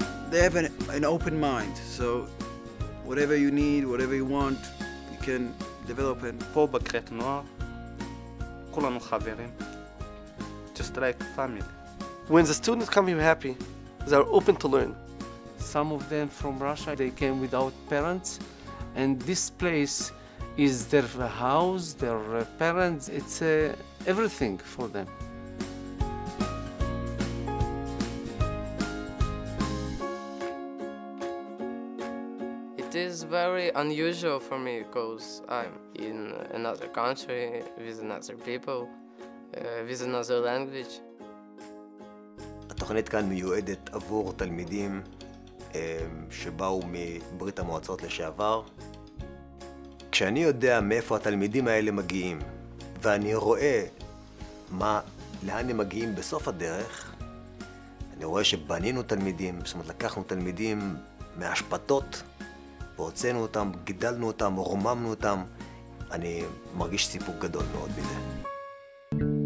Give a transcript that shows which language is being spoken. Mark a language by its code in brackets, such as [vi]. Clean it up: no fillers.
[en] They have an open mind, so whatever you need, whatever you want, you can develop in. [he] פה בקרית נוער, כולנו חברים, [en] just like family. When the students come here happy, they are open to learn. Some of them from Russia, they came without parents, and this place is their house, their parents, it's everything for them. It is very unusual for me because I'm in another country with another people, with another language. [he] התוכנית כאן מיועדת עבור תלמידים שבאו מברית המועצות לשעבר. כשאני יודע מאיפה התלמידים האלה מגיעים ואני רואה מה, לאן הם מגיעים בסוף הדרך, אני רואה שבנינו תלמידים, זאת אומרת לקחנו תלמידים מהשפטות והוצאנו אותם, גידלנו אותם, רוממנו אותם, אני מרגיש סיפוק גדול מאוד בזה.